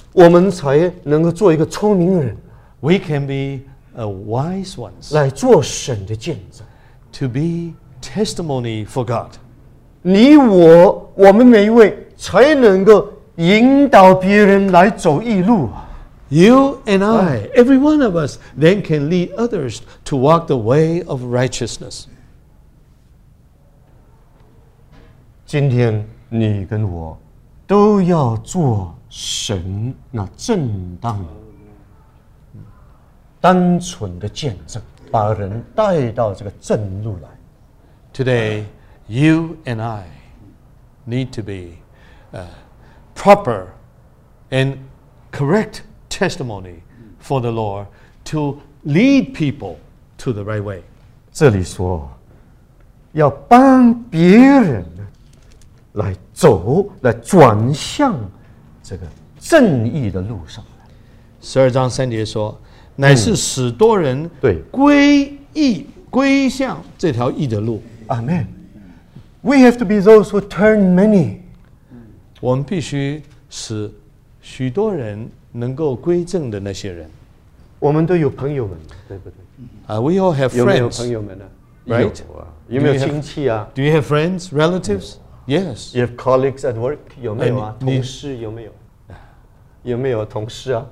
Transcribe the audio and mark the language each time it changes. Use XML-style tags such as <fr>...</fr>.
<zh>我们才能够做一个聪明人。</zh> <en>We can be a wise ones.</en> <zh>来做神的见证。</zh> <en>To be. Testimony for God.</en> <zh>你我我们每一位才能够引导别人来走义路。</zh> <en>You and I, every one of us, then can lead others to walk the way of righteousness.</en> <zh>今天你跟我都要做神那正当、单纯的见证，把人带到这个正路来。</zh> <en>Today, you and I need to be proper and correct testimony for the Lord to lead people to the right way.</en> <zh>这里说，要帮别人来走，来转向这个正义的路上。十二章三节说，乃是使多人对归义、归向这条义的路。</zh> <en>Amen. We have to be those who turn many.</en> <zh>我们必须使许多人能够归正的那些人。我们都有朋友们，对不对？</zh> <en>We all have friends.</en> <zh>有没有朋友们呢？</zh> <en>Right?</en> <zh>有啊。有没有亲戚啊？</zh> <en>Do you have friends, relatives? Yes. You have colleagues at work?</en> <zh>有没有啊？同事有没有？有没有同事啊？</zh>